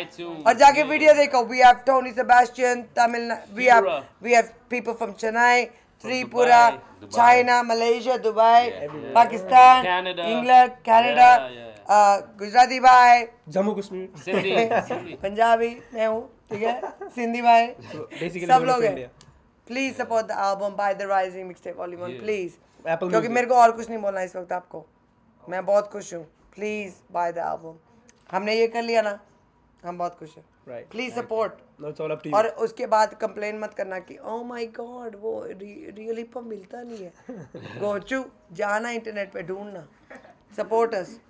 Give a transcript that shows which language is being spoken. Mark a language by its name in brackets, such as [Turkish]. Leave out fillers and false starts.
[Hindi] और जाके video देखो, [English] we have Tony Sebastian, Tamil, we have people from Chennai, Tripura, China, Malaysia, Dubai, Pakistan, England, Canada, Gujarati bhai, Jammu Kashmir, [Hindi] Punjabi, मैं हूँ, ठीक है, Sindhi bhai, सब लोग हैं। [English] Please support the album, buy the Rising Mixtape Volume 1, please. Apple [Hindi] क्योंकि मेरे को और कुछ नहीं बोलना इस वक्त आपको, मैं बहुत खुश हूँ, [English] please buy the album, [Hindi] हमने ये कर लिया ना, हम बहुत खुश हैं, [English] Please support. [Hindi] और उसके बाद कंप्लेन मत करना कि [English] oh my god [Hindi] वो रियली पर मिलता नहीं है, गोचू जाना इंटरनेट पे ढूंढना, [English] support us,